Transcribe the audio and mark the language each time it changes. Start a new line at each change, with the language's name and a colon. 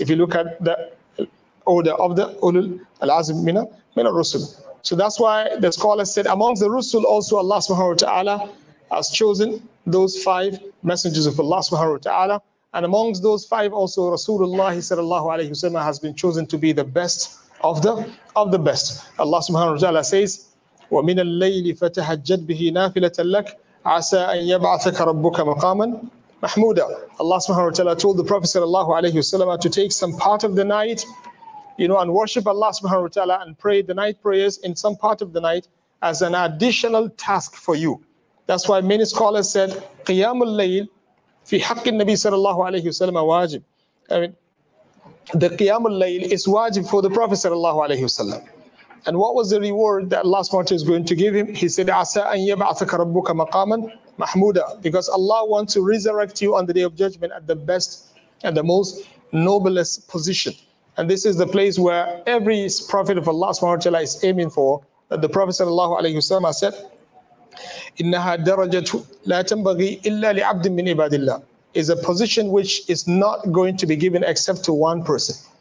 English: If you look at the order of the Ulul Al-Azm Mina Rusul. So that's why the scholars said amongst the Rusul also Allah subhanahu wa ta'ala has chosen those five messengers of Allah subhanahu wa ta'ala. And amongst those five also Rasulullah sallallahu alayhi wa sallam has been chosen to be the best of the best.
Arabic: Allah subhanahu wa ta'ala
English: says,
Arabic: وَمِنَ اللَّيْلِ فَتَهَجَّدْ بِهِ نَافِلَةً لَكْ عَسَىٰ أَنْ يَبْعَثَكَ رَبُّكَ مَقَامًا مَحْمُودًا.
English: Allah subhanahu wa ta'ala told the Prophet sallallahu alayhi wa sallam to take some part of the night, you know, and worship Allah subhanahu wa ta'ala and pray the night prayers in some part of the night as an additional task for you. That's why many scholars said
Arabic: قِيَامُ اللَّيْلِ فِي حَقِّ النَّبِي sallallahu alayhi wa sallam wajib.
English: I mean, the قِيَام اللَّيْلِ is wajib for the Prophet sallallahu alayhi wa sallam. And what was the reward that Allah subhanahu wa ta'ala is going to give him? He said,
Arabic: عَسَىٰ أَنْ يَبْعَثَكَ رَبُّكَ مَقَامًا مَحْمُودًا.
English: Because Allah wants to resurrect you on the Day of Judgment at the best and the most noblest position. And this is the place where every prophet of Allah subhanahu wa ta'ala is aiming for. That the Prophet sallallahu alayhi wa sallam has said,
Arabic: إِنَّهَا دَرَجَةُ لَا تَنْبَغِي إِلَّا لِعَبْدٍ مِّنْ عِبَادِ اللَّهِ
English: is a position which is not going to be given except to one person.